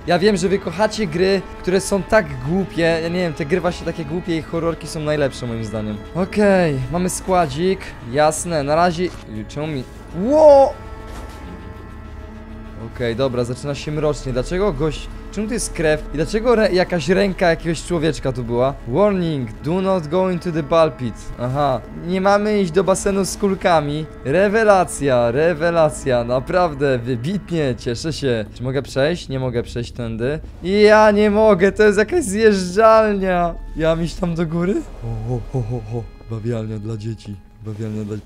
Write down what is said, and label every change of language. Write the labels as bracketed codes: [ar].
[pl] Ja wiem, że wy kochacie gry, które są tak głupie. Ja nie wiem, te gry właśnie takie głupie i horrorki są najlepsze moim zdaniem. Okej, okay, mamy składzik. Jasne, na razie... Czemu mi... Wow! Okej, dobra, zaczyna się mrocznie. Dlaczego gość... Czemu tu jest krew? I dlaczego jakaś ręka jakiegoś człowieczka tu była? [en] Warning, do not go into the ball pit. [pl] Aha, nie mamy iść do basenu z kulkami. Rewelacja, rewelacja, naprawdę, wybitnie, cieszę się. Czy mogę przejść? Nie mogę przejść tędy. I ja nie mogę, to jest jakaś zjeżdżalnia. Ja mam iść tam do góry? Ho, ho, ho, ho, bawialnia dla dzieci, bawialnia dla dzieci.